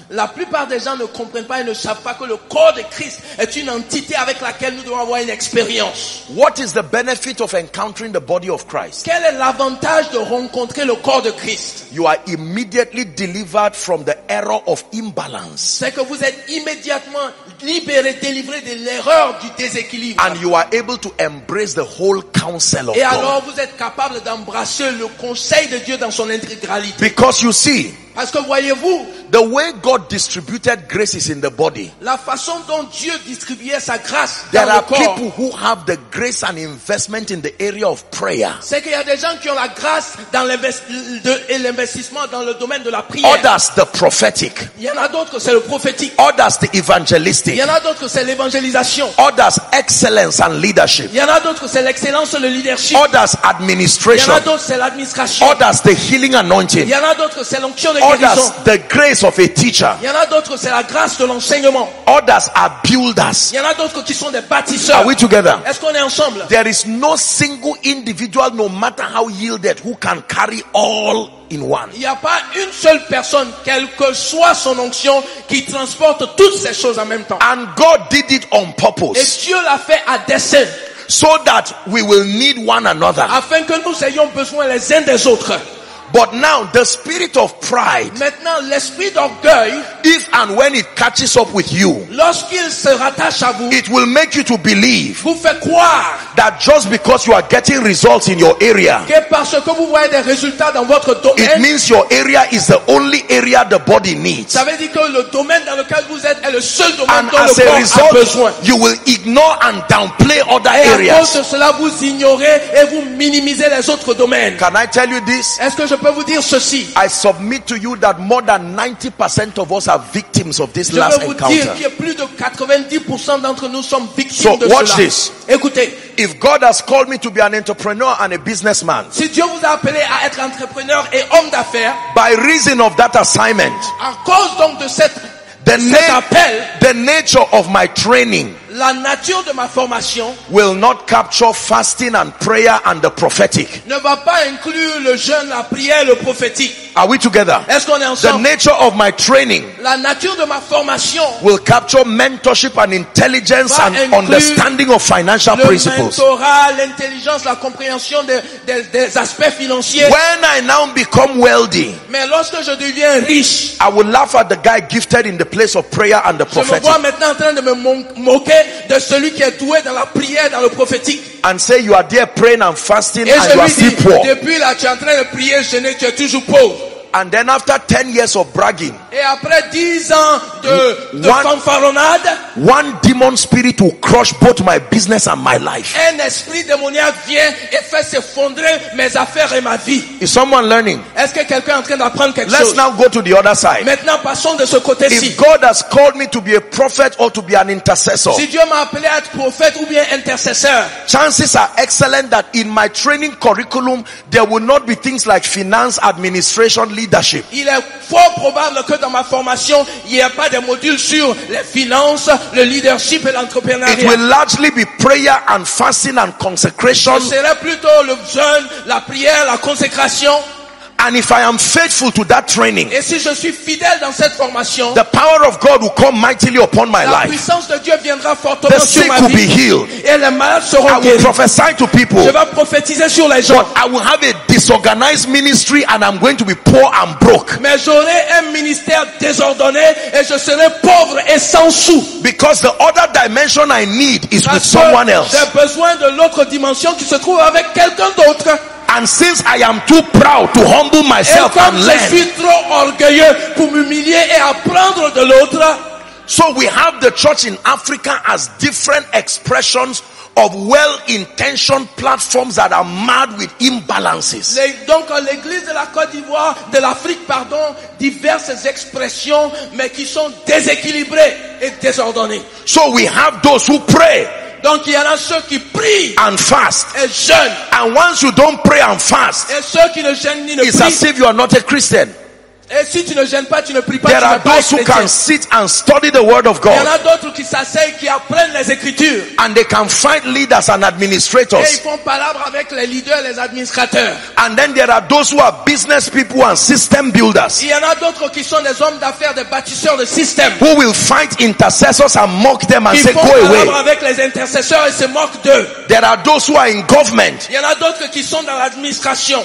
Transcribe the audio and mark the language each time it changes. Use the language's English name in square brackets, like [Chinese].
[French] La plupart des gens ne comprennent pas et ne savent pas que le corps de Christ est une entité avec laquelle nous devons avoir une expérience. [English] What is the benefit of encountering the body of Christ? [French] Quel est l'avantage de rencontrer le corps de Christ? [English] You are immediately delivered from the error of imbalance. [French] C'est que vous êtes immédiatement libéré, délivré de l'erreur du déséquilibre. [English] And you are able to embrace the whole counsel of God. [French] Et alors vous êtes capable d'embrasser le conseil de Dieu dans son intégralité. [English] Because you see, [French] parce que voyez-vous, [English] the way God distributed grace is in the body. [French] La façon dont Dieu distribuait sa grâce dans le corps. [English] There are people who have the grace and investment in the area of prayer. [French] C'est qu'il y a des gens qui ont la grâce dans l'investissement dans le domaine de la prière. [English] Others the prophetic. [French] Il y en a d'autres que c'est le prophétique. [English] Others the evangelistic. [French] Il y en a d'autres que c'est l'évangélisation. [English] Others excellence and leadership. [French] Il y en a d'autres que c'est l'excellence et le leadership. [English] Others administration. [French] Il y en a d'autres que c'est l'administration. [English] Others the healing anointing. [French] Il y en a d'autres que c'est l'onction. [English] Others, the grace of a teacher. [French] Il y en a d'autres, c'est la grâce de l'enseignement. [English] Others are builders. [French] Il y en a d'autres qui sont des bâtisseurs. [English] Are we together? [French] Est-ce qu'on est ensemble? [English] There is no single individual, no matter how yielded, who can carry all in one. [French] Il n'y a pas une seule personne, quelle que soit son onction, qui transporte toutes ces choses en même temps. [English] And God did it on purpose. [French] Et Dieu l'a fait à dessein. [English] So that we will need one another. [French] Afin que nous ayons besoin les uns des autres. [English] But now the spirit of pride, [French] maintenant l'esprit d'orgueil, [English] if and when it catches up with you, [French] lorsqu'il se rattache à vous, [English] it will make you to believe, [French] vous fait croire, [English] that just because you are getting results in your area, [French] que parce que vous voyez des résultats dans votre domaine, [English] it means your area is the only area the body needs. [French] Ça veut dire que le domaine dans lequel vous êtes est le seul domaine [English] and [French] dont [English] as [French] le [English] a [French] corps [English] result, [French] a besoin. [English] You will ignore and downplay other [French] et [English] areas. [French] À cause de cela, vous ignorez et vous minimisez les autres domaines. [English] Can I tell you this? [French] Est-ce que je peux vous dire ceci? [English] I submit to you that more than 90% of us are victims of this last encounter. [French] Je peux vous dire que plus de 90% d'entre nous sommes victimes [English] so [French] de cela. [English] So watch this. [French] Écoutez, [English] If God has called me to be an entrepreneur and a businessman, [French] si Dieu vous a appelé à être entrepreneur et homme d'affaires, [English] by reason of that assignment, [French] à cause donc de cet appel, [English] the nature of my training, [French] la nature de ma formation, [English] will not capture fasting and prayer and the prophetic. [French] Ne va pas inclure le jeûne, la prière, le prophétique. [English] Are we together? [French] Est-ce qu'on est ensemble? [English] The nature of my training, [French] la nature de ma formation, [English] will capture mentorship and intelligence and understanding of financial [French] le [English] principles. [French] Le mentorat, l'intelligence, la compréhension des aspects financiers. [English] When I now become wealthy, [French] mais lorsque je deviens riche, [English] I will laugh at the guy gifted in the place of prayer and the prophetic. [French] Je me vois maintenant en train de me moquer de celui qui est doué dans la prière, dans le prophétique. [English] And say you are there praying and fasting [French] et [English] and you are still poor. [French] Depuis là, tu es en train de prier, je n'ai, tu es toujours pauvre. [English] And then after 10 years of bragging, [French] et après 10 ans de fanfaronnade, [English] one demon spirit will crush both my business and my life. [French] Un esprit démoniaque vient et fait s'effondrer mes affaires et ma vie. [English] Is someone learning? [French] Est-ce que quelqu'un est en train d'apprendre quelque [English] Let's Now go to the other side. [French] Maintenant passons de ce côté-ci. [English] If God has called me to be a prophet or to be an intercessor, [French] si Dieu m'a appelé à être prophète ou bien intercesseur, [English] chances are excellent that in my training curriculum there will not be things like finance, administration, leadership. [French] Il est fort probable que dans ma formation, il n'y ait pas de module sur les finances, le leadership et l'entrepreneuriat. [English] It will largely be prayer and fasting and consecration. [French] Ce serait plutôt le jeûne, la prière, la consécration. [English] And if I am faithful to that training, [French] et si je suis fidèle dans cette formation, [English] the power of God will come mightily upon my life. [French] La puissance de Dieu viendra fortement [English] the [French] sur ma vie. [English] The sick will be healed. [French] Et les malades seront guéris. [English] I will prophesy to people. [French] Je vais prophétiser sur les gens. [English] But I will have a disorganized ministry and I'm going to be poor and broke. [French] Mais j'aurai un ministère désordonné et je serai pauvre et sans sou. [English] Because the other dimension I need is [French] Parce [English] with someone else. [French] J'ai besoin de l'autre dimension qui se trouve avec quelqu'un d'autre. [English] And since I am too proud to humble myself and learn, [French] je suis trop orgueilleux pour m'humilier et apprendre de l'autre. [English] So we have the church in Africa as different expressions of well-intentioned platforms that are marred with imbalances. [French] Donc l'église de la Côte d'Ivoire, de l'Afrique, pardon, diverses expressions, mais qui sont déséquilibrées et désordonnées. [English] So we have those who pray. [French] Donc il y en a ceux qui prient [English] and fast [French] et jeûnent. [English] And once you don't pray and fast, [French] et ceux qui ne jeûnent ni ne prient, [English] it's as if you are not a Christian. [French] Et si tu ne jeûnes pas, tu ne prie pas. [English] There are those who can sit and study the word of God. [French] Il y en a d'autres qui s'asseyent, qui apprennent les écritures. [English] And they can find leaders and administrators. [French] Et ils font parabre avec les leaders, les administrateurs. [English] And then there are those who are business people and system builders. [French] Il y en a d'autres qui sont des hommes d'affaires, des bâtisseurs de système. [English] Who will fight intercessors and mock them and say, go away. [French] Ils font parabre avec les intercesseurs et se moquent d'eux. [English] There are those who are in government. [French] Il y en a d'autres qui sont dans l'administration.